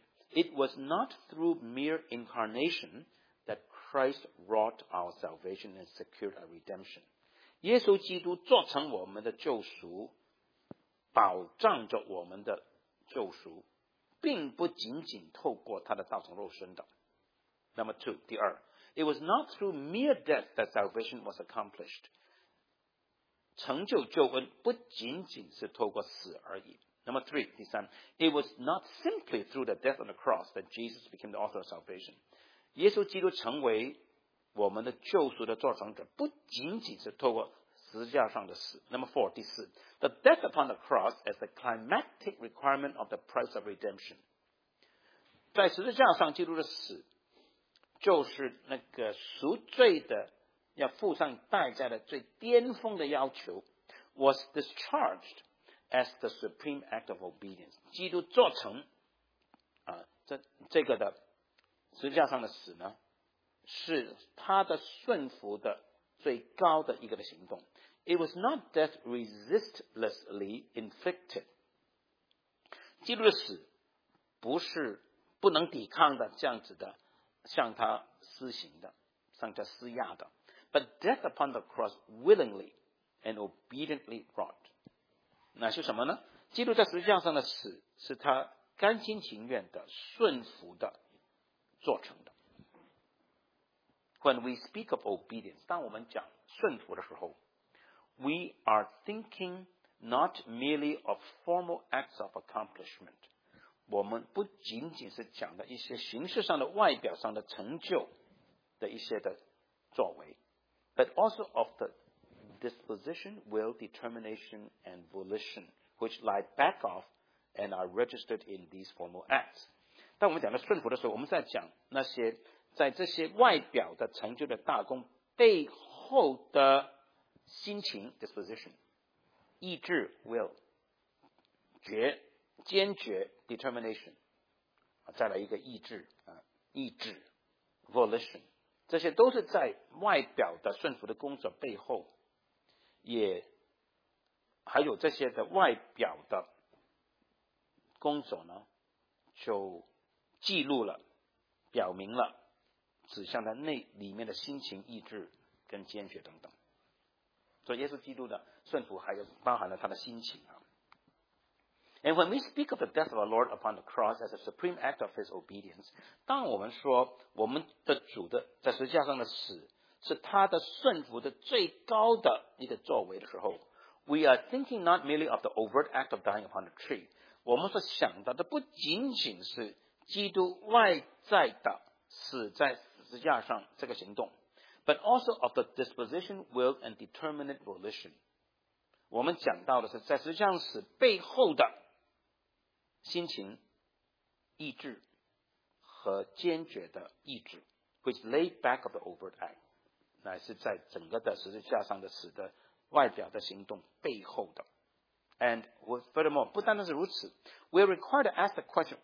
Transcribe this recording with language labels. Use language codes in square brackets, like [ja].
[en] It was not through mere incarnation that Christ wrought our salvation and secured our redemption。 [zh] 耶稣基督做成我们的救赎，保障着我们的救赎，并不仅仅透过他的道成肉身的。 [en] Number two， [zh] 第二， [en] It was not through mere death that salvation was accomplished。 [zh] 成就救恩不仅仅是透过死而已。 [en] Number three， [zh] 第三， [en] It was not simply through the death on the cross that Jesus became the author of salvation。 [zh] 耶稣基督成为我们的救赎的作成者，不仅仅是透过十字架上的死。 [en] Number four, [zh] 第四 [en] ，the death upon the cross as the climactic requirement of the price of redemption。 [zh] 在十字架上，基督的死就是那个赎罪的，要付上代价的最巅峰的要求。 [en] Was discharged as the supreme act of obedience。 [zh] 基督做成啊，这个的十字架上的死呢，是他的顺服的最高的一个的行动。 [en] It was not death resistlessly inflicted. [zh] 基督的死不是不能抵抗的这样子的向他施行的，向他施压的。 [en] But death upon the cross willingly and obediently wrought. [zh] 那是什么呢？基督在十字架上的死是他甘心情愿的顺服的做成的。 [en] When we speak of obedience, [zh] 当我们讲顺服的时候， [en] We are thinking not merely of formal acts of accomplishment. [zh] 我们不仅仅是讲的一些形式上的、外表上的成就的一些的作为， [en] but also of the disposition, will, determination, and volition which lie back of and are registered in these formal acts. [zh] 当我们讲到顺服的时候，我们在讲那些在这些外表的成就的大功背后的心情 disposition, 意志 will, 坚决 determination, 再来一个意志、意志 volition, 这些都是在外表的顺服的工作背后，也还有这些的外表的工作呢，就记录了、表明了指向的内里面的心情、意志跟坚决等等。所以耶稣基督的顺服还有包含了他的心情啊。 [en] And when we speak of the death of our Lord upon the cross as a supreme act of his obedience, [zh] 当我们说我们的主的在十字架上的死是他的顺服的最高的一个作为的时候， [en] we are thinking not merely of the overt act of dying upon the tree. [zh] 我们所想到的不仅仅是基督外在的死在十字架上这个行动， [en] But also of the disposition, will, and determinate volition. [zh] 我们讲到的是在十字架上死背后的心情、意志和坚决的意志 ， [en] which lay back of the overt act. [zh] 乃是在整个的十字架上的死的外表的行动背后的。 [en] And furthermore, [zh] 不单单是如此 [en] ，we are required to ask the question.